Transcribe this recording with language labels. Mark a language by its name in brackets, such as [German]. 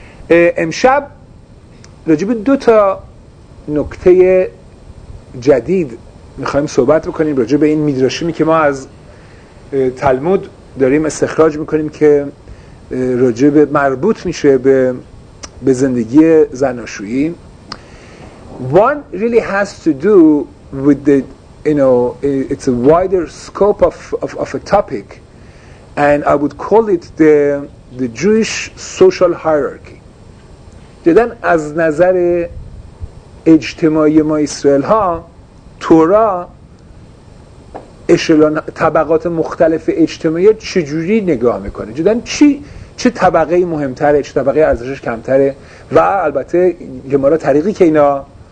[Persian] امشب راجب دو تا نکته جدید میخواییم صحبت بکنیم، راجب این میدراشیمی که ما از تلمود داریم استخراج میکنیم که راجب مربوط میشه به زندگی زناشویی. [English] One really has to do with the it's a wider scope of a topic, and I would call it the Jewish social hierarchy. [Persian] جدن از نظر اجتماعی ما اسرائیل ها، تورا اشلون طبقات مختلف اجتماعی چجوری نگاه میکنه، جدن چه طبقه مهمتره، چه طبقه ارزشش کمتره، و البته گمارا طریقی که اینا